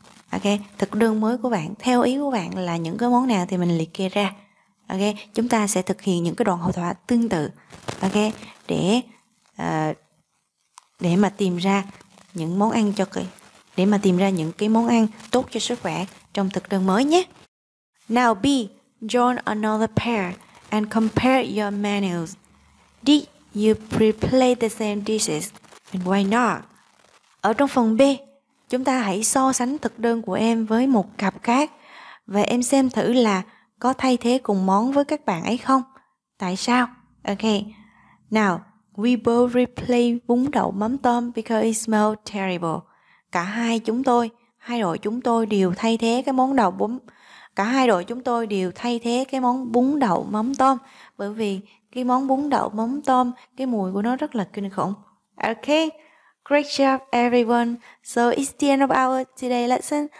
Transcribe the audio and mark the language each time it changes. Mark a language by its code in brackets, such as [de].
[vi] Ok, thực đơn mới của bạn, theo ý của bạn là những cái món nào thì mình liệt kê ra. Ok, chúng ta sẽ thực hiện những cái đoạn hội thoại tương tự. Ok, để mà tìm ra những món ăn cho cái, để mà tìm ra những cái món ăn tốt cho sức khỏe trong thực đơn mới nhé. [en] Now B, join another pair and compare your menus. Did you prepare the same dishes? And why not? [vi] Ở trong phần B, chúng ta hãy so sánh thực đơn của em với một cặp khác và em xem thử là có thay thế cùng món với các bạn ấy không? Tại sao? Ok. [en] Now, we both replay bún đậu mắm tôm because it smells terrible. [vi] Cả hai chúng tôi, hai đội chúng tôi đều thay thế cái món đậu bún. Cả hai đội chúng tôi đều thay thế cái món bún đậu mắm tôm bởi vì cái món bún đậu mắm tôm, cái mùi của nó rất là kinh khủng. [en] Ok. Great job, everyone. So it's the end of our today lesson.